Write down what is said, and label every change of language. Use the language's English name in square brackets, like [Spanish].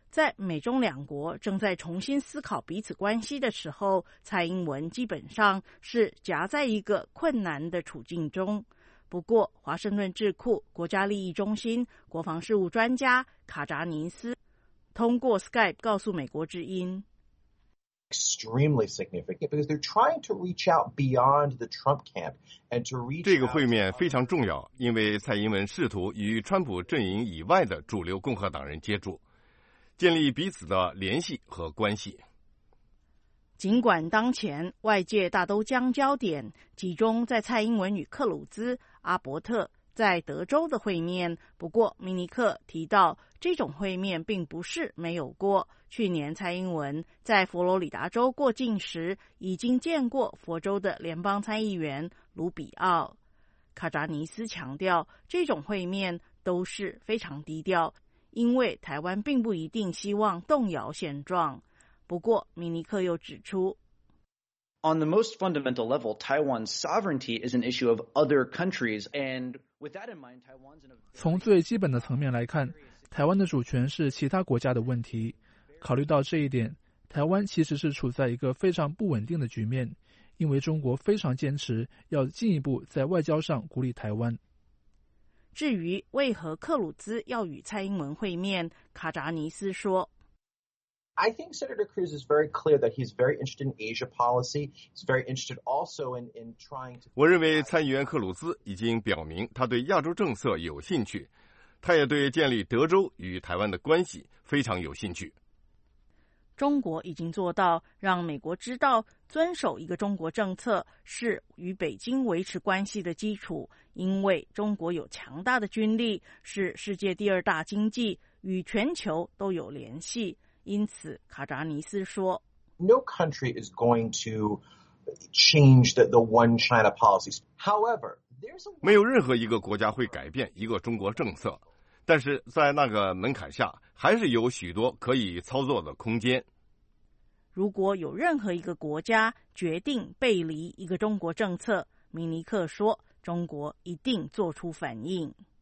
[Chinese] 在美中两国正在重新思考彼此关系的时候，蔡英文基本上是夹在一个困难的处境中。不过，华盛顿智库国家利益中心国防事务专家卡扎尼斯通过 Skype 告诉美国之音。 [English] Extremely significant because they're trying to reach out beyond the Trump camp and to reach. [Chinese] 这个会面非常重要，因为蔡英文试图与川普阵营以外的主流共和党人接触，建立彼此的联系和关系。尽管当前外界大都将焦点集中在蔡英文与克鲁兹、阿伯特在德州的会面，不过米尼克提到这种会面并不是没有过。去年蔡英文在佛罗里达州过境时已经见过佛州的联邦参议员卢比奥。卡扎尼斯强调，这种会面都是非常低调，因为台湾并不一定希望动摇现状。不过米尼克又指出， [English] On the most fundamental level, Taiwan's sovereignty is an issue of other countries, and with that in mind, Taiwan's. [Chinese] 从最基本的层面来看，台湾的主权是其他国家的问题。考虑到这一点，台湾其实是处在一个非常不稳定的局面，因为中国非常坚持要进一步在外交上孤立台湾。至于为何克鲁兹要与蔡英文会面，卡扎尼斯说。 [English] I think Senator Cruz is very clear that he's very interested in Asia policy. He's very interested also in trying to. [Chinese] 我认为参议员克鲁兹已经表明他对亚洲政策有兴趣，他也对建立德州与台湾的关系非常有兴趣。中国已经做到让美国知道遵守一个中国政策是与北京维持关系的基础，因为中国有强大的军力，是世界第二大经济，与全球都有联系。因此，卡扎尼斯说 [English] ：“No country is going to change the one China policies. However, there's [Chinese] 没有任何一个国家会改变一个中国政策，但是在那个门槛下，还是有许多可以操作的空间。如果有任何一个国家决定背离一个中国政策，米尼克说，中国一定做出反应。